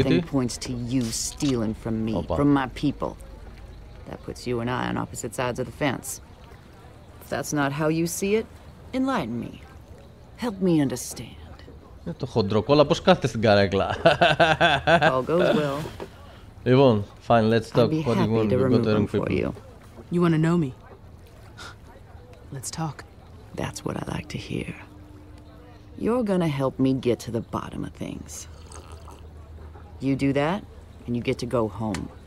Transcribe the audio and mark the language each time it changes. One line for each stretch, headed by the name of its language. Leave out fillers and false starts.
English: Everything points to you stealing from me, from my people. That puts you and I on opposite sides of the fence. If that's not how you see it, enlighten me. Help me understand.
Greek: Είναι το χοντροκόλλα, πώς κάθεται στην καρέκλα.
English: Λοιπόν, fine, let's talk. What do you want? We've got the wrong people. You want to know me? Let's talk. That's what I like to hear. You're gonna help me get to the bottom of things. You do that, and you get to go home.